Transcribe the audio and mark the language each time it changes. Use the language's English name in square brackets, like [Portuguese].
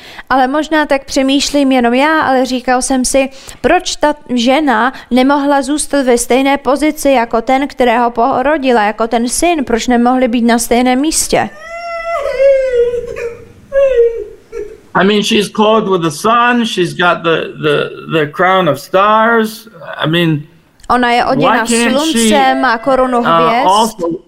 [Czech] Ale možná tak přemýšlím jenom já, ale říkal jsem si, proč ta žena nemohla zůstat ve stejné pozici jako ten, kterého porodila, jako ten syn, proč nemohli být na stejném místě? [English] I mean, she's clothed with the sun, she's got the crown of stars. I mean, [Czech] ona je oděna sluncem a korunu hvězd.